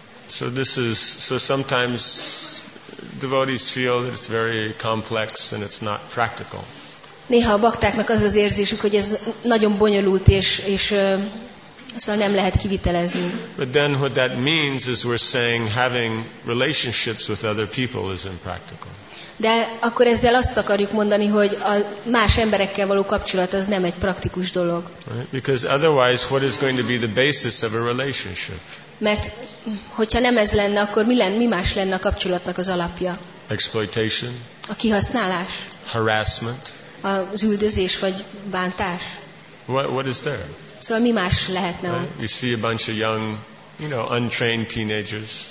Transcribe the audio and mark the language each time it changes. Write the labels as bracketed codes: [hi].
[en] So this is, so sometimes devotees feel that it's very complex and it's not practical. [hu] Néha a baktáknak az az érzésük, hogy ez nagyon bonyolult és szóval nem lehet kivitelezni. [en] But then what that means is we're saying having relationships with other people is impractical. [hu] De akkor ezzel azt akarjuk mondani, hogy a más emberekkel való kapcsolat az nem egy praktikus dolog. [en] Right? Because otherwise what is going to be the basis of a relationship? [hu] Mert hogyha nem ez lenne, akkor mi más lenne a kapcsolatnak az alapja? [en] Exploitation. [hu] A kihasználás. [en] Harassment. [hu] Az üldözés vagy bántás. [en] What is there? [hu] Szóval mi más lehetne ott? [en] We see a bunch of young, you know, untrained teenagers.